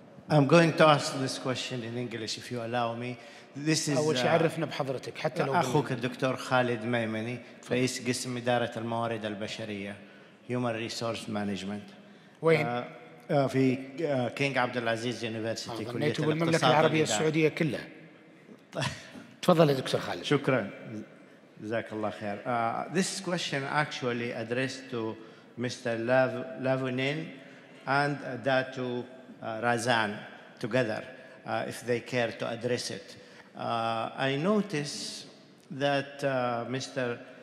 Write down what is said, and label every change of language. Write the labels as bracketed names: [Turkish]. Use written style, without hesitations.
[English] I'm going to ask this question in English if you allow me. This [Arabic] is أول شيء عرفنا بحضرتك حتى لو أخوك الدكتور خالد ميمني رئيس قسم إدارة الموارد البشرية Human Resource Management. وين؟ في كينج عبد العزيز يونيفرسيتي. كلية الاقتصاد والمملكة العربية السعودية كلها. تفضل يا دكتور خالد. شكرا جزاك الله خير. [English] This question actually addressed to Mr. Lavunin and Datu Razan together if they care to address it. I notice that Mr.